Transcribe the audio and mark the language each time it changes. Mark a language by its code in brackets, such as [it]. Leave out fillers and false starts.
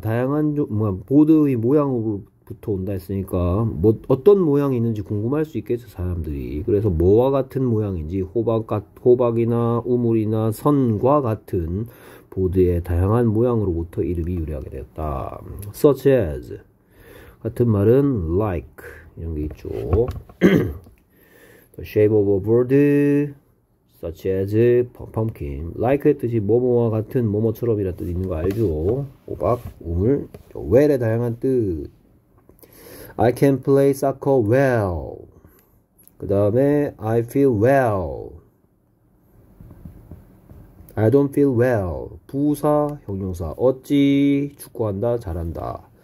[ko] 다양한, 보드의 모양으로부터 온다 했으니까, 뭐, 어떤 모양이 있는지 궁금할 수 있겠죠, 사람들이. 그래서 뭐와 같은 모양인지, 호박이나 우물이나 선과 같은, 보드의 다양한 모양으로부터 이름이 유래하게 되었다. Such as 같은 말은 like 이런 게 있죠. [en] The shape of a bird, such as pumpkin. [ko] Like의 뜻이 뭐뭐와 같은 뭐뭐처럼이라는 뜻이 있는 거 알죠? [en] 호박, 우물, well의 다양한 뜻. I can play soccer well. 그 다음에 I feel well. [ko] I don't feel well. 부사, 형용사. 어찌, 축구한다, 잘한다.